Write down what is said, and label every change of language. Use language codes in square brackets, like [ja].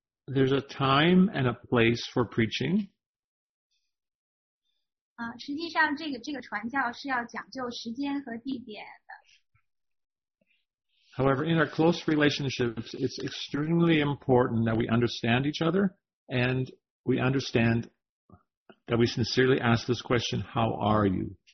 [en] There's a time and a place for preaching. [zh] 实际上这个传教是要讲究时间和地点的。 [en] However, in our close relationships, it's extremely important that we understand each other and we understand that we sincerely ask this question, how are you?